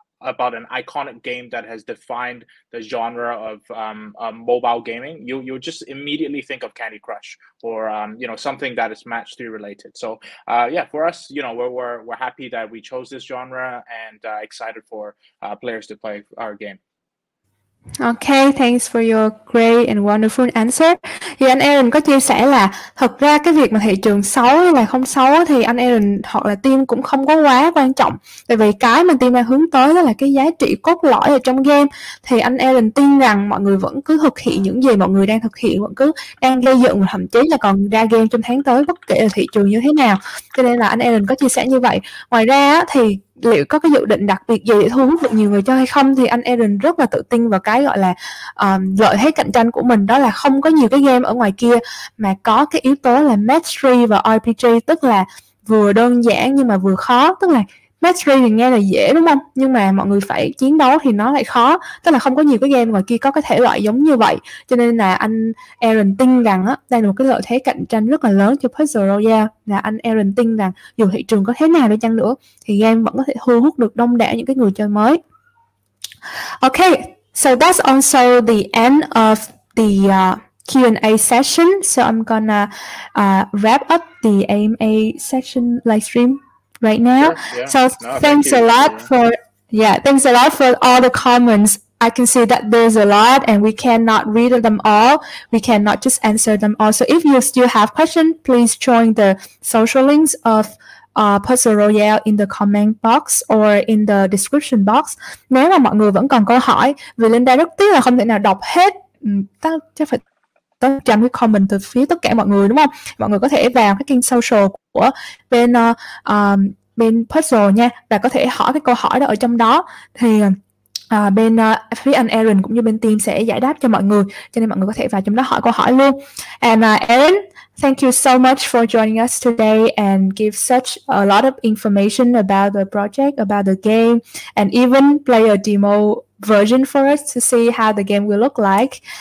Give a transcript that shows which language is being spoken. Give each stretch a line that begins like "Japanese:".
English: about an iconic game that has defined the genre of mobile gaming, you'll just immediately think of Candy Crush or you know, something that is match three related. So yeah, for us, you know, we're happy that we chose this genre and excited for players to play our game. Okay, thanks for your great and wonderful answer.
Vietnamese: Thì anh Aaron có chia sẻ là thật ra cái việc mà thị trường xấu hay là không xấu thì anh Aaron hoặc là team cũng không có quá quan trọng. Tại vì cái mà team đang hướng tới đó là cái giá trị cốt lõi ở trong game. Thì anh Aaron tin rằng mọi người vẫn cứ thực hiện những gì mọi người đang thực hiện, vẫn cứ đang gây dựng, thậm chí là còn ra game trong tháng tới bất kể là thị trường như thế nào. Cho nên là anh Aaron có chia sẻ như vậy. Ngoài ra thì liệu có cái dự định đặc biệt gì để thu hút được nhiều người chơi hay không, thì anh Aaron rất là tự tin vào cái gọi là lợi thế cạnh tranh của mình, đó là không có nhiều cái game ở ngoài kia mà có cái yếu tố là match 3 và RPG, tức là vừa đơn giản nhưng mà vừa khó. Tức là match 3 thì nghe là dễ đúng không, nhưng mà mọi người phải chiến đấu thì nó lại khó. Tức là không có nhiều cái game ngoài kia có cái thể loại giống như vậy, cho nên là anh Aaron tin rằng á, đây là một cái lợi thế cạnh tranh rất là lớn cho Puzzle Royale. Là anh Aaron tin rằng dù thị trường có thế nào đi chăng nữa thì game vẫn có thể thu hút được đông đảo những cái người chơi mới.
English: Ok, so that's also the end of the Q&A session. So I'm gonna wrap up the AMA session live stream right now. Yeah. So thanks a lot for all the comments. I can see that there's a lot and we cannot read them all. We cannot just answer them all. So if you still have questions, please join the social links of Puzzle Royale in the comment box or in the description box.
Vietnamese: Nếu mà mọi người vẫn còn câu hỏi, vì Linda rất tiếc là không thể nào đọc hết chắc phải tất cả những comment từ phía tất cả mọi người đúng không? Mọi người có thể vào cái kênh social của bên bên Puzzle nha, và có thể hỏi cái câu hỏi đó ở trong đó, thì bên phía anh Aaron cũng như bên team sẽ giải đáp cho mọi người, cho nên mọi người có thể vào trong đó hỏi câu hỏi luôn.
English: And Aaron, thank you so much for joining us today and give such a lot of information about the project, about the game, and even play a demo version for us to see how the game will look like.